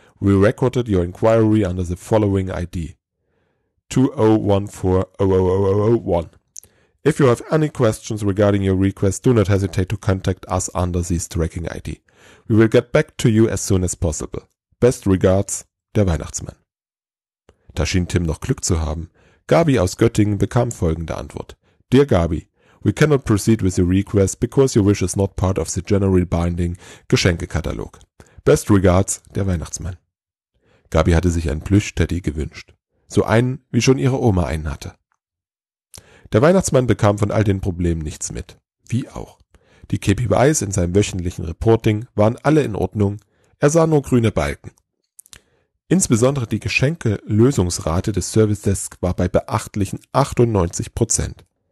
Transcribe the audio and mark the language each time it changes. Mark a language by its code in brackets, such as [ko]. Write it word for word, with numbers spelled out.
[en] We recorded your inquiry under the following I D two zero one four zero zero zero zero one. If you have any questions regarding your request, do not hesitate to contact us under this tracking I D. We will get back to you as soon as possible. Best regards, der Weihnachtsmann. [de] Da schien Tim noch Glück zu haben. Gabi aus Göttingen bekam folgende Antwort. [en] Dear Gabi, we cannot proceed with your request because your wish is not part of the general binding Geschenkekatalog. Best regards, der Weihnachtsmann. [de] Gabi hatte sich einen Plüsch-Teddy gewünscht. So einen, wie schon ihre Oma einen hatte. Der Weihnachtsmann bekam von all den Problemen nichts mit. Wie auch. Die K P Is in seinem wöchentlichen Reporting waren alle in Ordnung. Er sah nur grüne Balken. Insbesondere die Geschenkelösungsrate des Service Desk war bei beachtlichen achtundneunzig Prozent.